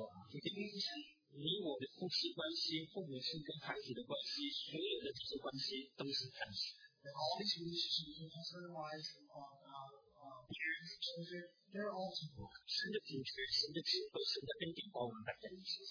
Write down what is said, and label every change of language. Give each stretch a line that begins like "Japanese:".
Chinese: 你我的夫妻关系，父母亲跟孩子的关系，所有的这些关系都是暂时。
English: And all these relationships, husband and wife, parents, children, they're all temporary.
Chinese: 神的拯救，神的祝福，神的恩典把我们摆在一起。